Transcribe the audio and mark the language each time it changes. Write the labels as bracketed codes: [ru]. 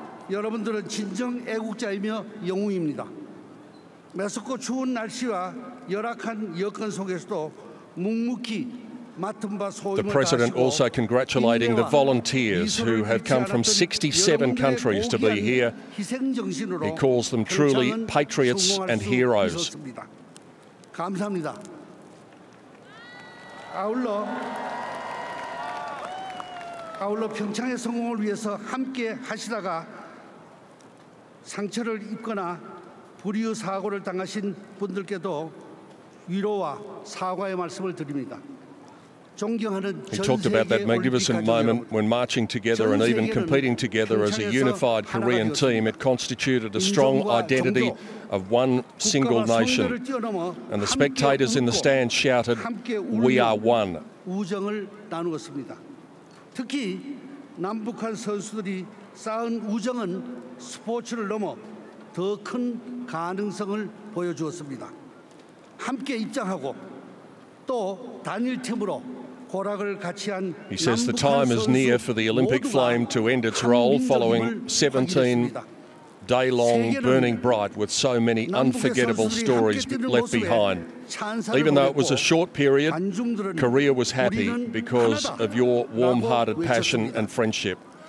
[ko] 여러분들은 진정 애국자이며 영웅입니다. 매섭고 추운 날씨와 열악한 여건 속에서도 묵묵히 맡은 바 소임을 다하고 [en] The president also congratulating the volunteers who have come from 67 countries to be here. [ko] 희생정신으로 [en] He calls them truly patriots and heroes. [ko] 감사합니다. 아울러 아울러 평창의 성공을 위해서 함께 하시다가 상처를 입거나 불의의 사고를 당하신 분들께도 위로와 사과의 말씀을 드립니다. [en] He talked about that magnificent moment when marching together and even competing together as a unified Korean team. It constituted a strong identity of one single nation. And the spectators in the stands shouted, "We are one." [ko] 우정을 나누었습니다. 특히 남북한 선수들이 쌓은 우정은 스포츠를 넘어 더 큰 가능성을 보여주었습니다. 함께 입장하고 또 단일팀으로 고락을 같이 한 [en] He says the time is near for the Olympic flame to end its role following 17 day long, burning bright with so many unforgettable stories left behind. Even though it was a short period, Korea was happy because of your warm-hearted passion and friendship.